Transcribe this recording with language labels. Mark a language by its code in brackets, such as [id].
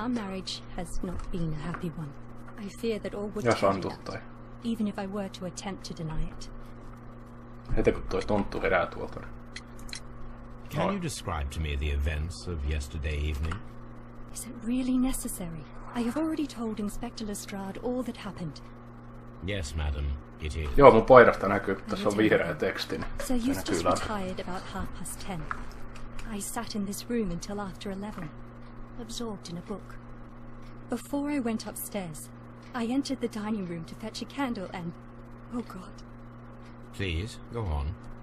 [en] Our marriage has not been a happy one. I fear that all would turn out, even if I were to attempt to deny it. [fi] Heti kun toi tonttu herää tuolta. [en] Can you describe to me the events of yesterday evening? Is it really necessary? I have already told Inspector Lestrade all that happened. Yes, madam, it is. [fi] Joo, mun paidasta näkyy, tässä on vihreä teksti. [en] Sir Eustace retired about 10:30. I sat in this room until after 11, absorbed in a book. Before I went upstairs, I entered the dining room to fetch a candle and... Oh, God. Please, go on.